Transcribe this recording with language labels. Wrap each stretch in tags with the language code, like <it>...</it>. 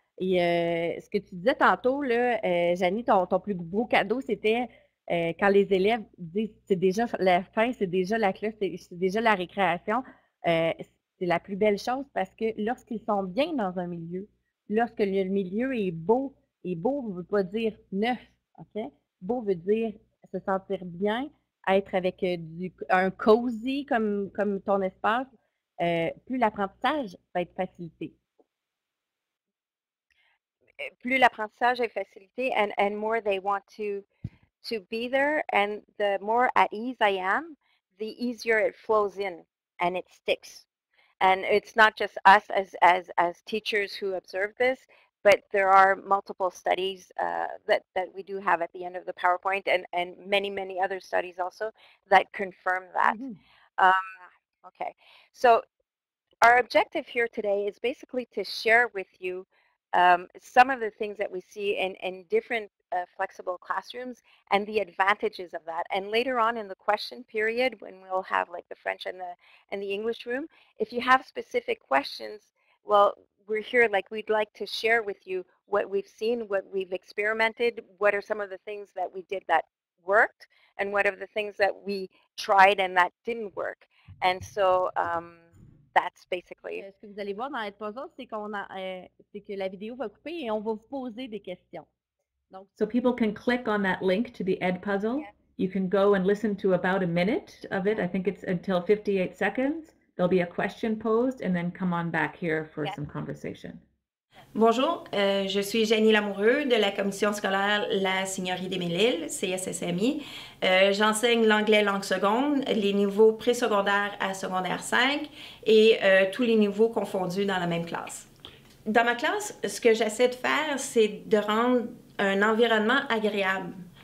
<fr>Et ce que tu disais tantôt, là, Janie, ton plus beau cadeau, c'était quand les élèves disent « c'est déjà la fin, c'est déjà la classe, c'est déjà la récréation », c'est la plus belle chose parce que lorsqu'ils sont bien dans un milieu, lorsque le milieu est beau, et beau ne veut pas dire neuf, ok? Beau veut dire se sentir bien, être avec un « cozy » comme ton espace, plus l'apprentissage va être facilité. Plus l'apprentissage est facilité</fr> <en>and more they want to be there, and the more at ease I am, the easier it flows in and it sticks. And it's not just us as teachers who observe this, but there are multiple studies that we do have at the end of the PowerPoint and many, many other studies also that confirm that. Mm-hmm. Okay, so our objective here today is basically to share with you some of the things that we see in different flexible classrooms and the advantages of that. And later on in the question period, when we'll have like the French and the English room, if you have specific questions, well, we're here, like we'd like to share with you what we've seen, what we've experimented, what are some of the things that we did that worked, and what are the things that we tried and that didn't work. And so that's basically.</en> <fr>Ce que vous allez voir dans les puzzles, c'est que la vidéo va couper et on va vous poser des questions.</fr> <en>So people can click on that link to the Edpuzzle. Yes. You can go and listen to about a minute of it. I think it's until 58 seconds. There'll be a question posed and then come on back here for some conversation.</en> <fr>Bonjour, je suis Janie Lamoureux de la commission scolaire La Seigneurie des Mille-Îles, CSSMI. J'enseigne l'anglais langue seconde, les niveaux présecondaires à secondaire 5 et tous les niveaux confondus dans la même classe. Dans ma classe, ce que j'essaie de faire, c'est de rendre un environnement agréable</fr>